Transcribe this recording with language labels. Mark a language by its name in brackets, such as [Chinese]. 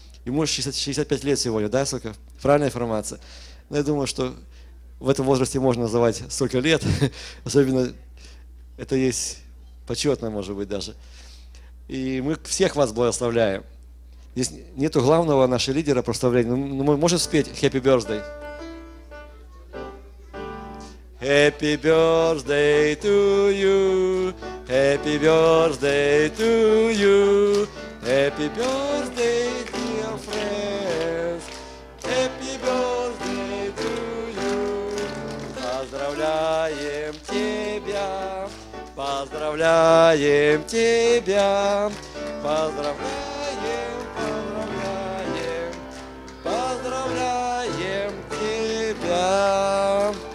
[Russian] Ему 65 лет сегодня, да, сколько? Правильная информация. Но я думаю, что в этом возрасте можно называть столько лет. Особенно это есть почетно, может быть, даже. И мы всех вас благословляем. Здесь нету главного нашего лидера прославления, но мы можем спеть «Happy Birthday». [English] Happy birthday to you, happy birthday to you, happy birthday, dear friends, happy birthday to you. [Russian] Поздравляем тебя, поздравляем тебя, поздравляем, поздравляем, поздравляем тебя.